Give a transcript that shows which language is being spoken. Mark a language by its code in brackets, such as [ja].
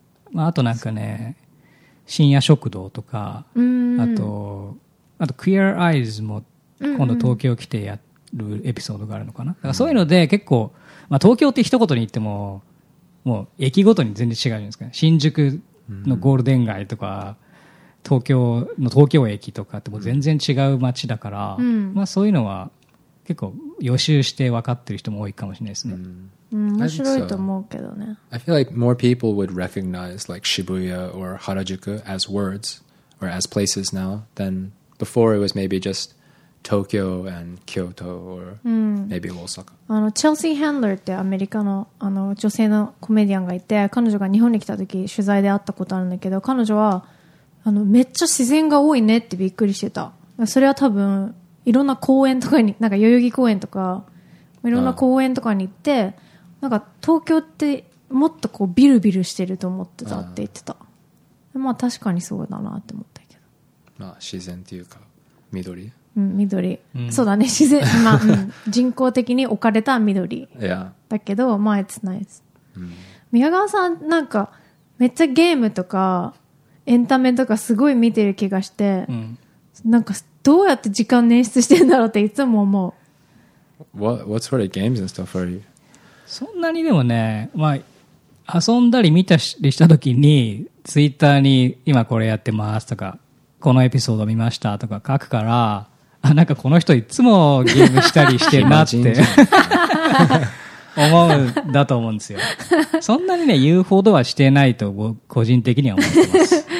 [ja] まあ、あとなんかね深夜食堂とかあとクエアアイズも今度東京来てやるエピソードがあるのかな、うんうん、だからそういうので結構、まあ、東京って一言に言ってももう駅ごとに全然違うじゃないですか、ね、新宿のゴールデン街とか東京の東京駅とかってもう全然違う街だから、うんまあ、そういうのは結構予習して分かってる人も多いかもしれないですね、うん、面白いと思うけどね [en] I feel like more people would recognize like Shibuya or Harajuku as words or as places now than before it was maybe just Tokyo and Kyoto or maybe Osaka、 [ja] うん、あのチェルシー・ハンドラーってアメリカ の, あの女性のコメディアンがいて彼女が日本に来た時取材で会ったことあるんだけど彼女はあのめっちゃ自然が多いねってびっくりしてたそれは多分いろんな公園とかになんか代々木公園とかいろんな公園とかに行ってなんか東京ってもっとこうビルビルしてると思ってたって言ってたまあ確かにそうだなって思ったけどまあ自然っていうか緑うん緑、うん、そうだね自然まあ、うん、人工的に置かれた緑だけど、 [en] yeah. まあ It's nice、 [ja] うん、宮川さんなんかめっちゃゲームとかエンタメとかすごい見てる気がして、うん、なんかどうやって時間捻出してんだろうっていつも思う [en] What sort of games and stuff are you? [ja] そんなにでもね、まあ、遊んだり見たりした時にツイッターに今これやってますとかこのエピソード見ましたとか書くからあなんかこの人いつもゲームしたりしてるなって思うだと思うんですよそんなにね言うほどはしてないと僕個人的には思ってます